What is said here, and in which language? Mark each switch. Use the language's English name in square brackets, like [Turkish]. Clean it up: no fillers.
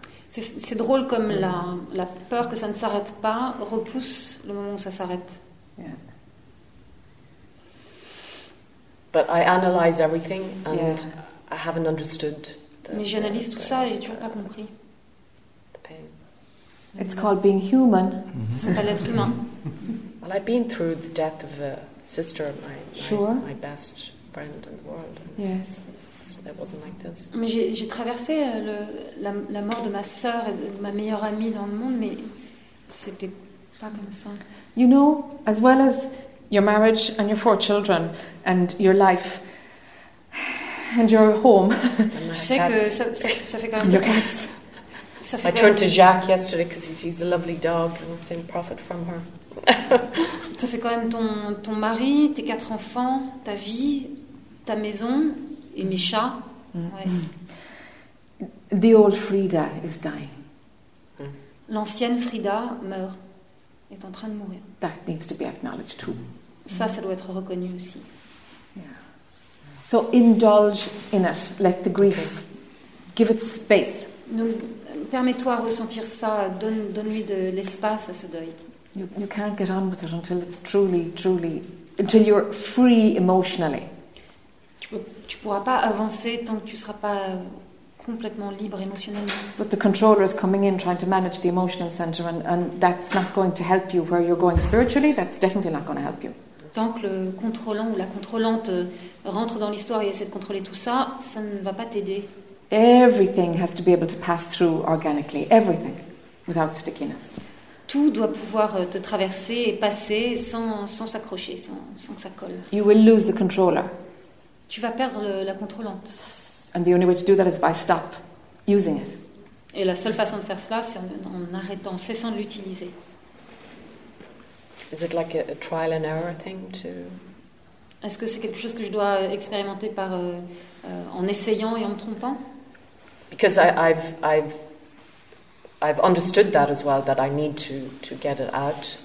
[French] C'est drôle comme la peur que ça ne s'arrête pas repousse le moment où ça s'arrête. [English] But I analyze everything and I haven't understood. [French] Mais j'analyse tout ça et j'ai toujours pas compris. [English] The pain. It's called being human. [French] Ça s'appelle être humain. [English] Well, I've been through the death of a sister, my best friend in the world. Yes. It wasn't like this. [French] Mais j'ai traversé la mort de ma sœur et de ma meilleure amie dans le monde, mais c'était pas comme ça. [English] You know, as well as your marriage and your four children and your life and your home. [French] Je sais [English] cats. [French] Que ça fait quand même. [English] Your cats. [French] Ça fait [English] I turned to Jacques yesterday because she's a lovely dog and I'm seeing profit from her. [French] Ça fait quand même ton mari, tes quatre enfants, ta vie, ta maison. Et mes chats. Mm. Ouais. [English] The old Frida is dying. [French] L'ancienne Frida meurt, est en train de mourir. [English] That needs to be acknowledged too. [French] Ça, ça doit être reconnu aussi. [English] So indulge in it. Let the grief give it space. [French] Donc, permets-toi de ressentir ça. Donne-lui de l'espace à ce deuil. [English] You can't get on with it until it's truly, truly, until you're free emotionally. [French] Tu pourras pas avancer tant que tu seras pas complètement libre émotionnellement. [English] But the controller is coming in trying to manage the emotional center, and that's not going to help you where you're going spiritually. That's definitely not going to help you. [French] Tant que le contrôlant ou la contrôlante rentre dans l'histoire et essaie de contrôler tout ça, ça ne va pas t'aider. [English] Everything has to be able to pass through organically. Everything, without stickiness. [French] Tout doit pouvoir te traverser et passer sans s'accrocher, sans que ça colle. [English] You will lose the controller. [French] Tu vas perdre la contrôlante. [English] And the only way to do that is by stop using it. [French] Et la seule façon de faire cela, c'est en arrêtant, en cessant de l'utiliser. [English] Is it like a trial and error thing to? [French] Est-ce que c'est quelque chose que je dois expérimenter par en essayant et en me trompant? [English] Because I've understood that as well, that I need to get it out.